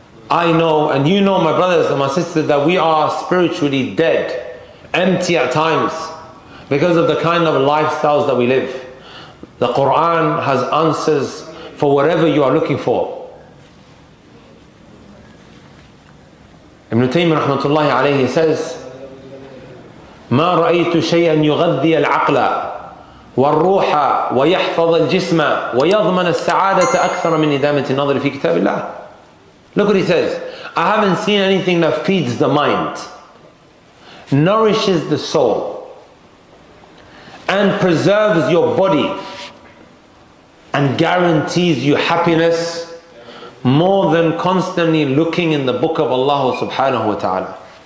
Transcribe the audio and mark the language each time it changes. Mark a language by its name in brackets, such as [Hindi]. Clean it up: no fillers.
[English] I know, and you know, my brothers and my sisters, that we are spiritually dead, empty at times, because of the kind of lifestyles that we live. The Quran has answers for whatever you are looking for. [Arabic] Ibn Taymiyyah rahmatullahi alayhi [English] says, [Arabic] ما رأيت شيئا يغذي العقل والروح ويحفظ الجسم ويضمن السعادة أكثر من إدامة النظر في كتاب الله. [English] Look what he says. I haven't seen anything that feeds the mind, nourishes the soul, and preserves your body, and guarantees you happiness more than constantly looking in the book of Allah subhanahu wa ta'ala.